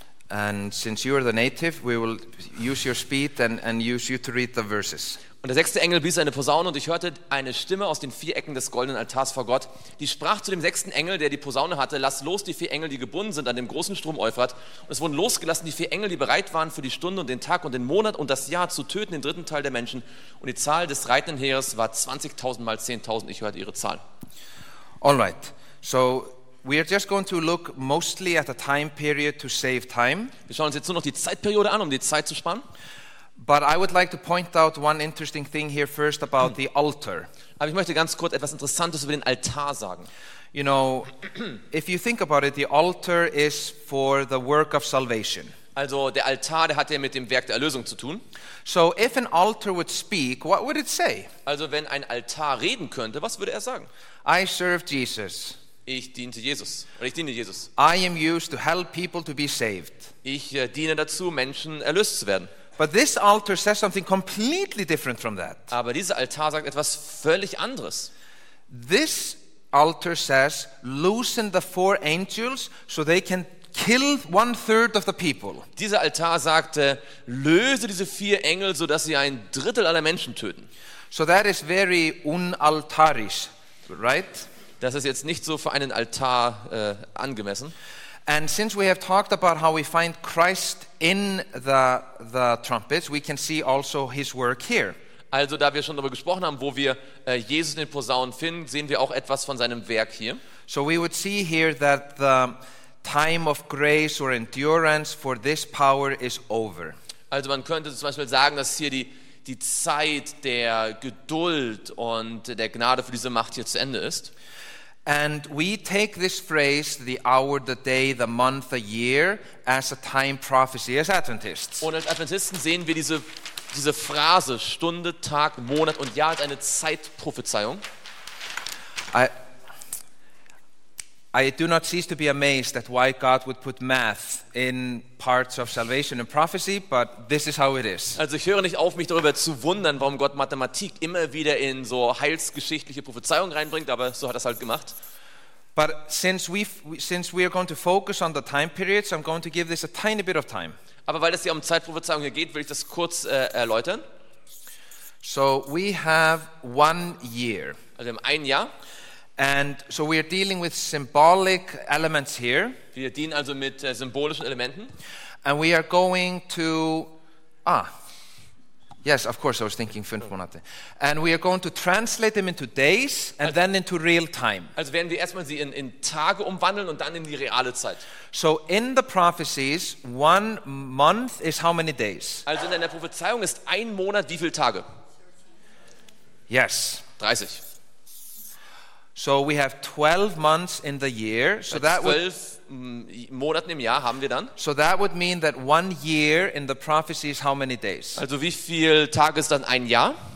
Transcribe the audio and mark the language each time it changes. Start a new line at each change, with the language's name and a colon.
English: And since you are the native, we will use your speed and use you to read the verses.
German: Und der sechste Engel blies eine Posaune und ich hörte eine Stimme aus den vier Ecken des goldenen Altars vor Gott. Die sprach zu dem sechsten Engel, der die Posaune hatte, lass los die vier Engel, die gebunden sind an dem großen Strom Euphrat. Und es wurden losgelassen die vier Engel, die bereit waren für die Stunde und den Tag und den Monat und das Jahr zu töten, den dritten Teil der Menschen. Und die Zahl des reitenden Heeres war 20.000 mal 10.000. Ich hörte ihre Zahl.
English: All right, so we are just going to look mostly at the time period to save time.
German: Wir schauen uns jetzt nur noch die Zeitperiode an, um die Zeit zu sparen.
English: But I would like to point out one interesting thing here first about the altar.
German: Aber ich möchte ganz kurz etwas Interessantes über den Altar sagen.
English: You know, if you think about it, the altar is for the work of salvation.
German: Also der Altar, der hat ja mit dem Werk der Erlösung zu tun.
English: So if an altar would speak, what would it say?
German: Also wenn ein Altar reden könnte, was würde er sagen?
English: I serve Jesus.
German: Ich diente Jesus. Oder ich diene Jesus.
English: I am used to help people to be saved.
German: Ich diene dazu, Menschen erlöst zu werden.
English: But this altar says something completely different from that.
German: Aber dieser Altar sagt etwas völlig anderes.
English: This altar says, loosen the four angels so they can kill one third of the people.
German: Dieser Altar sagt, löse diese vier Engel, so dass sie ein Drittel aller Menschen töten.
English: So that is very unaltarisch, right?
German: Das ist jetzt nicht so für einen Altar angemessen.
English: And since we have talked about how we find Christ in the trumpets, we can see also his work here.
German: Also da wir schon darüber gesprochen haben, wo wir Jesus in den Posaunen finden, sehen wir auch etwas von seinem Werk hier.
English: So we would see here that the time of grace or endurance for this power is over.
German: Also man könnte zum Beispiel sagen, dass hier die Zeit der Geduld und der Gnade für diese Macht hier zu Ende ist.
English: And we take this phrase, the hour, the day, the month, the year, as a time prophecy as Adventists.
German: Und als Adventisten sehen wir diese Phrase, Stunde, Tag, Monat und Jahr, als eine Zeitprophezeiung.
English: I do not cease to be amazed at why God would put math in parts of salvation and prophecy, but this is how it is.
German: Also ich höre nicht auf, mich darüber zu wundern, warum Gott Mathematik immer wieder in so heilsgeschichtliche Prophezeiungen reinbringt, aber so hat er es halt gemacht.
English: But since we are going to focus on the time periods, I'm going to give this a tiny bit of time.
German: Aber weil es hier um Zeitprophezeiung hier geht, will ich das kurz erläutern.
English: So we have 1 year.
German: Also wir haben ein Jahr.
English: And so we are dealing with symbolic elements here.
German: Wir dienen also mit symbolischen Elementen.
English: And we are going to Yes, of course, I was thinking
German: 5 Monate.
English: And we are going to translate them into days and then into real time.
German: Also werden wir erstmal sie in Tage umwandeln und dann in die reale Zeit.
English: So in the prophecies, 1 month is how many days?
German: Also in der Prophezeiung ist ein Monat wie viele Tage?
English: Yes. 30. So we have 12 months in the year. So
German: that 12 Monaten im Jahr haben wir dann.
English: So that would mean that 1 year in the prophecy is how many days?
German: Also wie viel Tage ist dann ein Jahr?